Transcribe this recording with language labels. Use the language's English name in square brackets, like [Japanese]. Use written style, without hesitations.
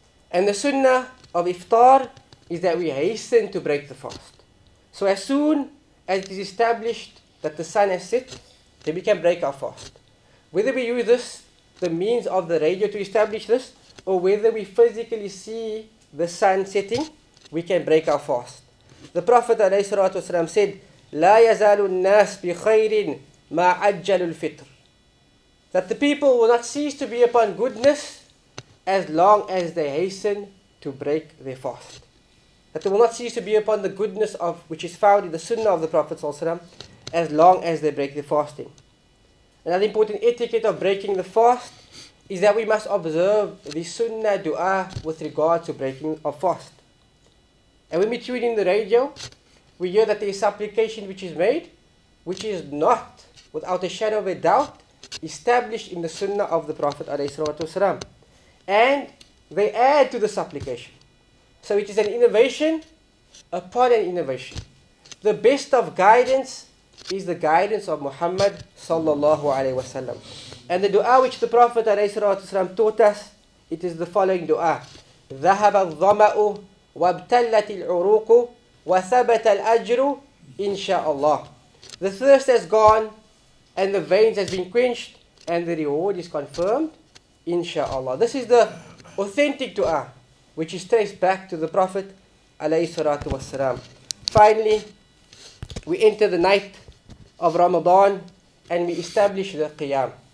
[English] And the sunnah of iftar is that we hasten to break the fast. So as soon as it is established that the sun has set, then we can break our fast. Whether we use this, the means of the radio to establish this, or whether we physically see the sun setting, we can break our fast. The Prophet ﷺ said, [Arabic] لا يزال الناس بخير ما عجل الفطر. [English] That the people will not cease to be upon goodness as long as they hasten to break their fast. That they will not cease to be upon the goodness of which is found in the sunnah of the Prophet ﷺ as long as they break their fasting. Another important etiquette of breaking the fast is that we must observe the sunnah dua with regard to breaking of fast. And when we tune in the radio, we hear that there is supplication which is made, which is not, without a shadow of a doubt, established in the sunnah of the Prophet ﷺ. And they add to the supplication. So it is an innovation upon an innovation. The best of guidance is the guidance of Muhammad sallallahu alayhi wa sallam. And the dua which the Prophet ﷺ taught us, it is the following dua. [Arabic] ذهب الظماء وابتلت العروق وثبت الأجر إن شاء الله. [English] The thirst has gone and the veins has been quenched and the reward is confirmed, [Arabic] إن شاء الله. [English] This is the authentic dua which is traced back to the Prophet ﷺ. Finally, we enter the night of Ramadan and we establish the Qiyam.